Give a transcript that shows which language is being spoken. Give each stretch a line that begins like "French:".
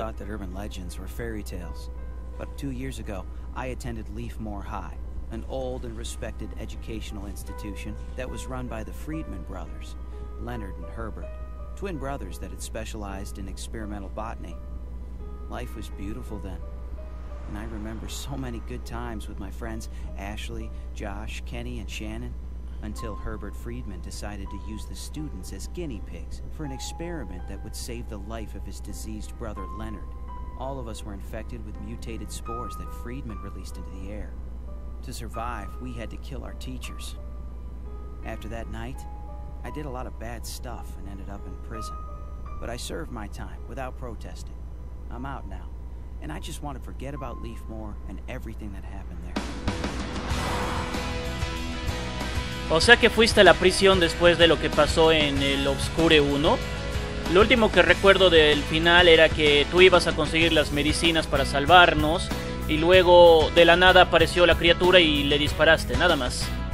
Spanish: Siempre pensé que las legendas urbanas eran
English: fairy tales.
Spanish: Pero 2 años atrás, asistí a Leafmore High, una antigua y respetada institución educacional que fue dirigida por los Friedman Brothers, Leonard y Herbert,
English: twin brothers
Spanish: que habían especializado en
English: experimental botany.
Spanish: La vida era hermosa entonces. Y recuerdo tantas buenas tardes con mis amigos Ashley, Josh, Kenny y Shannon.
English: Until Herbert Friedman decided to use the students as guinea pigs for an experiment that would save the life of his diseased brother Leonard. All of us were infected with mutated spores that Friedman released into the air. To survive, we had to kill our teachers. After that night, I did a lot of bad stuff and ended up in prison. But I served my time without protesting. I'm out now, and I just want to forget about Leafmore and everything that happened there.
Spanish: O sea que fuiste a la prisión después de lo que pasó en el Obscure 1. Lo último que recuerdo del final era que tú ibas a conseguir las medicinas para salvarnos y luego de la nada apareció la criatura y le disparaste, nada más.